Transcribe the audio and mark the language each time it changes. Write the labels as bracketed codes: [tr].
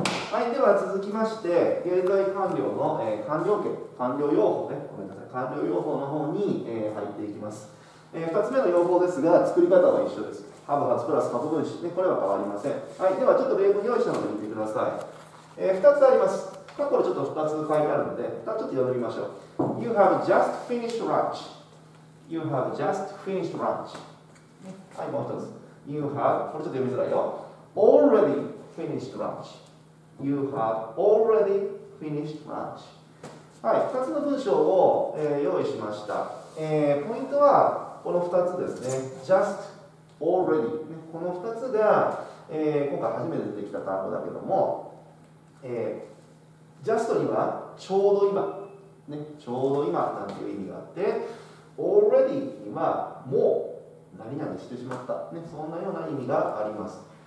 [ja] はい、では続きまして、現在完了の、完了形、完了用法ね、ごめんなさい、完了用法の方に、入っていきます。 2つ目の用法ですが、作り方は一緒です。ハブハズプラス過去分詞、ね、これは変わりません。はい、ではちょっと例文用意したので見てください。2つあります。過去でちょっと2つ書いてあるので、2つちょっと読みましょう。 [en] You have just finished lunch. You have just finished lunch. [ja] はい、もう1つ。 [en] You have, [ja] これちょっと読みづらいよ。 [en] Already finished lunch. You have already finished lunch. [ja] はい、2つの文章を、用意しました、ポイントはこの2つですね。 Just, already、ね、この2つが、今回初めて出てきた単語だけども、Just にはちょうど今、ね、ちょうど今なんていう意味があって Already にはもう何々してしまった、ね、そんなような意味があります。